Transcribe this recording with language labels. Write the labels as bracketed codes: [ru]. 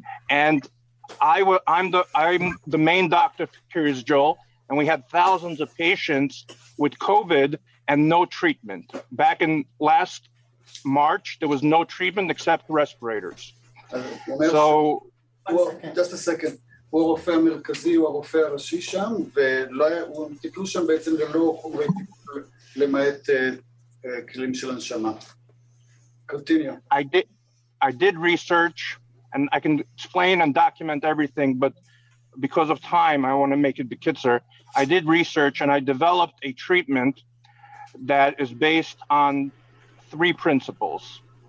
[en] And I'm the main doctor for Kiryas Joel, and we had thousands of patients with COVID and no treatment. Back in last March, there was no treatment except respirators. So, just a second. [he] הוא הרופא המרכזי, הוא הרופא הראשי שם, והוא טיפלו שם בעצם ללא חומרי טיפול למעט כלים של הנשמה. [en] Continue. I did research, and I can explain and document everything, but because of time, I want to make it bekitzer. I did research, and I developed a treatment that is based on three principles.